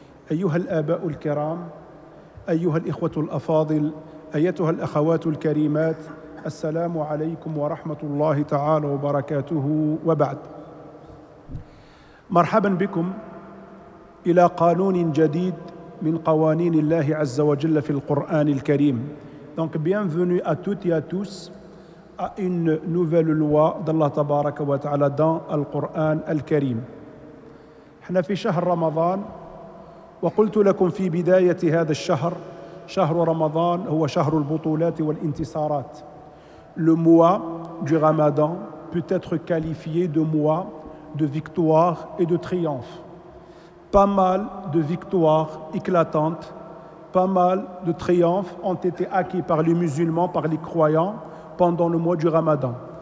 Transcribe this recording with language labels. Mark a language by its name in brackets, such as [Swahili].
[Arabic] أيها الآباء الكرام، أيها الإخوة الأفاضل، أيتها الأخوات الكريمات، السلام عليكم ورحمة الله تعالى وبركاته، وبعد، مرحبا بكم إلى قانون جديد من قوانين الله عز وجل في القرآن الكريم. [French] Donc bienvenue à toutes et à tous à une nouvelle loi d'Allah تبارك وتعالى dans le Coran al-Karim. [Arabic] احنا في شهر رمضان، وقلت لكم في بداية هذا الشهر، شهر رمضان هو شهر البطولات والانتصارات. [French] Le mois du Ramadan peut être qualifié de mois de victoires et de triomphes. Pas mal de victoires éclatantes, pas mal de triomphes ont été acquis par les musulmans, par les croyants, pendant le mois du Ramadan.